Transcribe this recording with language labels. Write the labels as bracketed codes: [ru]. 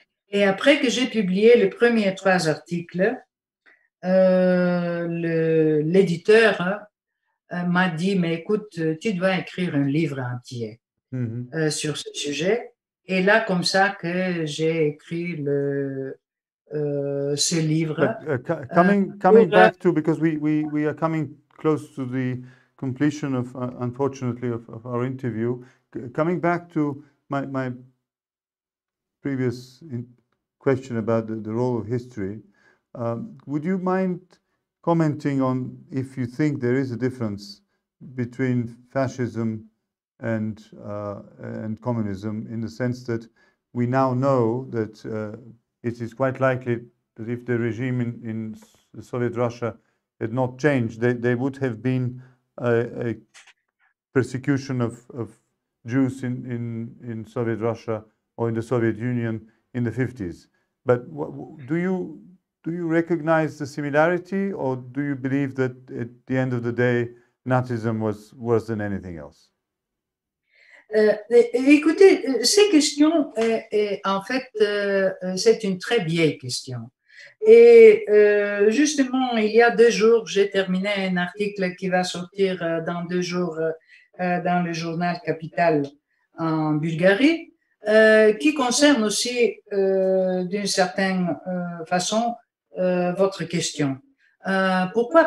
[fr] Et après que j'ai publié les premiers trois articles, l'éditeur m'a dit, mais écoute, tu dois écrire un livre entier. Mmh. Sur ce sujet, et là comme ça que j'ai écrit ce livre. [en] Coming back to because we are coming close to the completion of unfortunately of our interview. Coming back to my previous question about the role of history, would you mind commenting on if you think there is a difference between fascism and communism, in the sense that we now know that it is quite likely that if the regime in Soviet Russia had not changed, they would have been a persecution of Jews in Soviet Russia or in the Soviet Union in the 50s. But do you recognize the similarity, or do you believe that at the end of the day, Nazism was worse than anything else? [fr] Écoutez, ces questions, en fait, c'est une très vieille question. Et justement, il y a deux jours, j'ai terminé un article qui va sortir dans deux jours dans le journal Capital en Bulgarie, qui concerne aussi, d'une certaine façon, votre question. Pourquoi ?